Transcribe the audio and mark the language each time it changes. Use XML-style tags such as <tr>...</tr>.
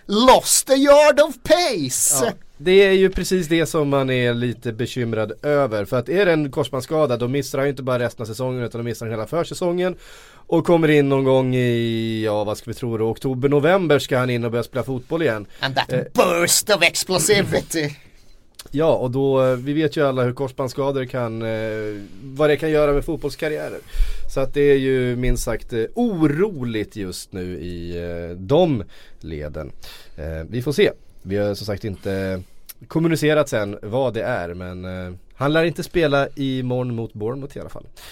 <en>Lost a yard of pace! Ja,</en> <sv>det är ju precis det som man är lite bekymrad över. För att är det en korsbandsskada, då missar han ju inte bara resten av säsongen, utan då missar han hela försäsongen. Och kommer in någon gång i, ja vad ska vi tro då, oktober, november ska han in och börja spela fotboll igen.</sv> <en>And that burst of explosivity.</en> <sv>Ja, och då, vi vet ju alla hur korsbandsskador kan, vad det kan göra med fotbollskarriärer. Så att det är ju minst sagt oroligt just nu i de leden. Vi får se, vi har som sagt inte kommunicerat sen vad det är, men han lär inte spela imorgon mot Bournemouth i alla fall.</sv>